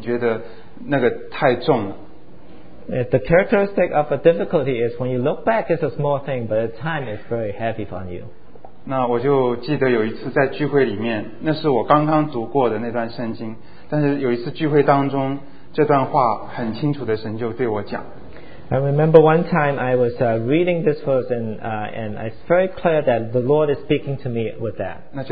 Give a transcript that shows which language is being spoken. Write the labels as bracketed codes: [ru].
[zh] 可是难处的特点就是这样，你回头看的时候，你觉得那是小事，但是你在其中的时候，你觉得那个太重了。 [en] The characteristic of a difficulty is when you look back, it's a small thing, but at time, it's very heavy on you. [zh] 那我就记得有一次在聚会里面，那是我刚刚读过的那段圣经，但是有一次聚会当中，这段话很清楚的神就对我讲。 [en] I remember one time I was reading this verse and it's very clear that the Lord is speaking to me with that.